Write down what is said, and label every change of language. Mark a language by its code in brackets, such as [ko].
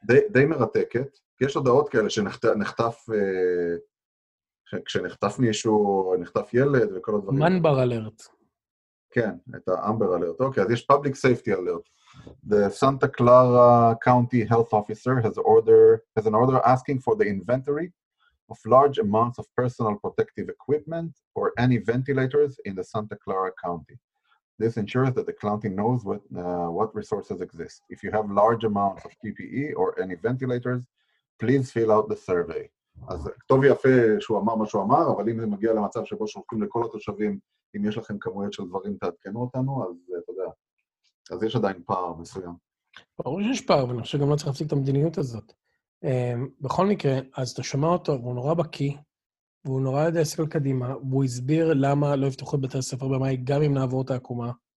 [he] די מרתקת, יש הודעות כאלה שנחטף, כשנחטף מישהו, נחטף ילד וכל הדברים. מנבר אלרט. כן, את האמבר אלרט, אוקיי, אז יש פאבליק סייפטי אלרט. [en] The Santa Clara County Health Officer has an order asking for the inventory of large amounts of personal protective equipment or any ventilators in the Santa Clara County. This ensures that the county knows what resources exist. If you have large amounts of PPE or any ventilators, please fill out the survey. [he] אז טוב יפה שהוא אמר מה שהוא אמר, אבל אם זה מגיע למצב שבו שולחים לכל התושבים, אם יש לכם כמויות של דברים, תעדכנו אותנו, אז אתה יודע. אז יש עדיין פער מסוים. ברור שיש פער, ואני חושב גם לא צריך להפסיק את המדיניות הזאת. בכל מקרה, אז אתה שומע אותו, הוא נורא בקי, והוא נורא יודע להסתכל קדימה, והוא הסביר למה לא יפתחו את בתי הספר במאי, גם אם נעבור את העקומה.